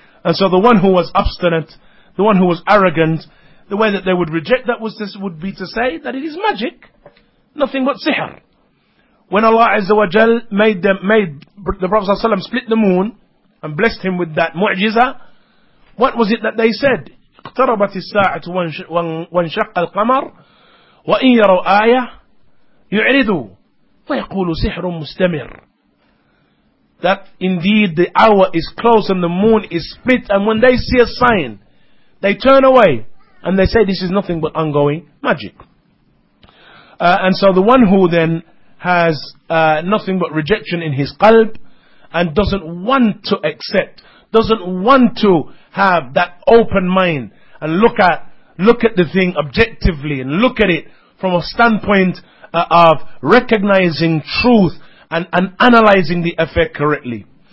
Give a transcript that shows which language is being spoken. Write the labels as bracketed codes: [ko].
[en] And so the one who was obstinate, the one who was arrogant, the way that they would reject that was this, would be to say that it is magic, nothing but sihr. When Allah Azza wa Jal made the Prophet ﷺ split the moon and blessed him with that mu'jiza, what was it that they said? [ar] اقتربت الساعة وانشق القمر وإن يروا آية يعرضوا فيقول سحر مستمر. [en] That indeed the hour is close and the moon is split, and when they see a sign, they turn away And they say this is nothing but ongoing magic. And so the one who then has nothing but rejection in his qalb and doesn't want to accept, doesn't want to have that open mind and look at the thing objectively and look at it from a standpoint of recognizing truth and analyzing the affair correctly.